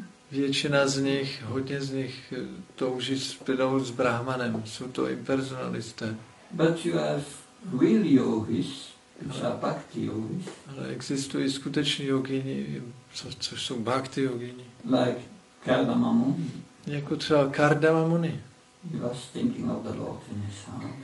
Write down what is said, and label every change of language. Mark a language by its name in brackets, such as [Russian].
[Czech] Většina z nich, hodně z nich touží spojit s Brahmanem, jsou to impersonalisté. [English] But you have real yogis, which are bhakti yogis. [Czech] Ale existují skuteční jogini, což jsou bhakti jogini. [English] Like Kardamamuni. [Czech] Jako třeba Kardamamuni. [English] He was thinking of the Lord in his heart.